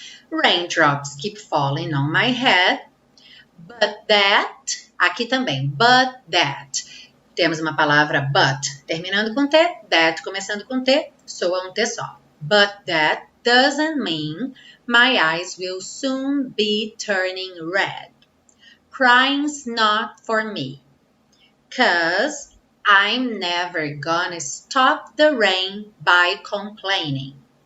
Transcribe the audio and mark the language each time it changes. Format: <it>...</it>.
<en>Raindrops keep falling on my head, but that,</en> <pt>aqui também,</pt> <en>but that.</en> <pt>Temos uma palavra but terminando com T, that começando com T, soa um T só.</pt> <en>But that doesn't mean my eyes will soon be turning red. Crying's not for me, 'cause I'm never gonna stop the rain by complaining.</en>